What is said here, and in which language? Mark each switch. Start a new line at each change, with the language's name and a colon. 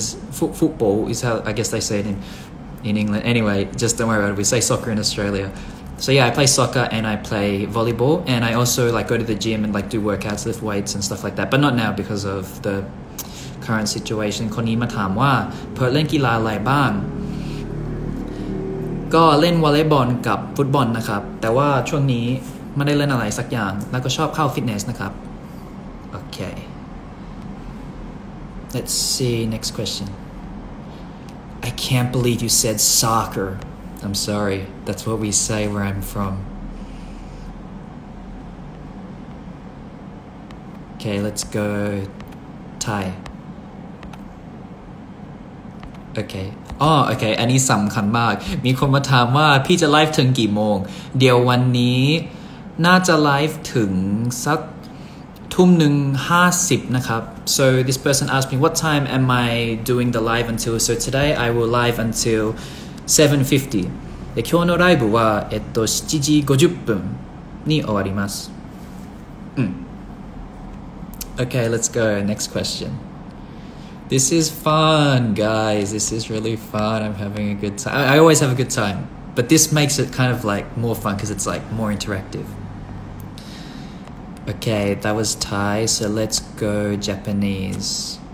English: Football is how I guess they say it in England. Anyway, just don't worry about it. We say soccer in Australia. So yeah, I play soccer and I play volleyball and I also like go to the gym and like do workouts, lift weights and stuff like that. But not now because of the current situation.
Thai: คนนี้มาถามว่าเพิ่งเล่นกีฬาอะไรบ้าง ก็เล่นวอลเลย์บอลกับฟุตบอลนะครับ แต่ว่าช่วงนี้ไม่ได้เล่นอะไรสักอย่าง แล้วก็ชอบเข้าฟิตเนสนะครับ
English: Okay. Let's see next question. I can't believe you said soccer. I'm sorry. That's what we say where I'm from. Okay, let's go Thai. Okay. Oh, okay.
Thai: อันนี้สำคัญมาก มีคนมาถามว่าพี่จะไลฟ์ถึงกี่โมง เดี๋ยววันนี้น่าจะไลฟ์ถึงสักทุ่มหนึ่งห้าสิบนะครับ
English: So this person asked me what time am I doing the live until So today I will live until 7:50
Japanese: で今日のライブは7時50分に終わります、
English: うん、Okay, let's go next question This is fun guys, this is really fun I'm having a good time I always have a good time But this makes it kind of like more fun because it's like more interactiveOkay, that was Thai, so let's go Japanese.